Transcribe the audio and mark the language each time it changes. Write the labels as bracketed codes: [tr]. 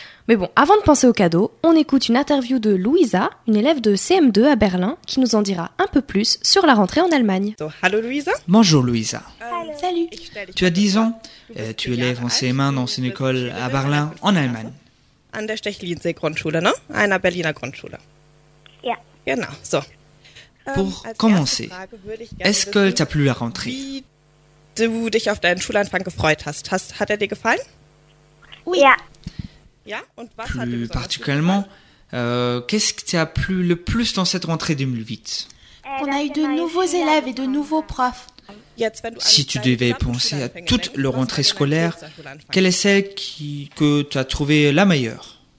[fr] Mais bon, avant de penser aux cadeaux, on écoute une interview de Luisa, une élève de CM2 à Berlin, qui nous en dira un peu plus sur la rentrée en Allemagne. [en] Hello, Luisa. [fr] Bonjour Luisa. [en] Hello. [fr] Salut. Tu as 10 ans, tu es élève en CM1 dans une école à Berlin, en Allemagne. [de] An der Stechlinsee Grundschule, non? Einer Berliner Grundschule. Ja. Yeah. Genau, so. [fr] Pour commencer, est-ce que t'as plu la rentrée? [de] Wie du dich auf deinen Schulanfang gefreut hast. Hat er dir gefallen? [fr] Oui. [de] Ja. [fr] Plus particulièrement, qu'est-ce qui t'a plu le plus dans cette rentrée 2008? On a eu de nouveaux élèves et de nouveaux profs. Si tu devais penser à toute la rentrée scolaire, quelle est celle que tu as trouvée la meilleure?